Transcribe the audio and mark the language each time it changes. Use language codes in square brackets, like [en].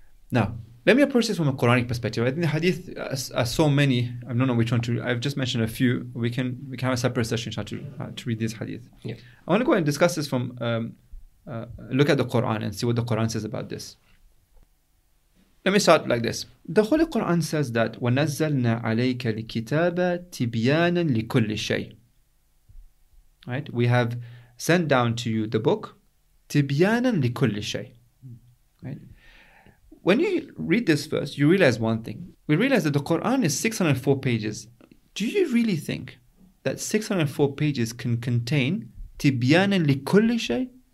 [en] Now, let me approach this from a Quranic perspective. I think the hadith are so many. I don't know which one to. I've just mentioned a few. We can have a separate session to read this hadith. Yeah. I want to go ahead and discuss this from look at the Quran and see what the Quran says about this. Let me start like this. The Holy Quran says that [ar] وَنَزَّلْنَا عَلَيْكَ الْكِتَابَ تِبْيَانًا لِكُلِّ شَيْءٍ. [en] Right? We have sent down to you the book [ar] تِبْيَانًا لِكُلِّ شَيْءٍ. [en] Right? When you read this verse, you realize one thing. We realize that the Quran is 604 pages. Do you really think that 604 pages can contain [ar] تِبْيَانًا لِكُلِّ شَيْءٍ?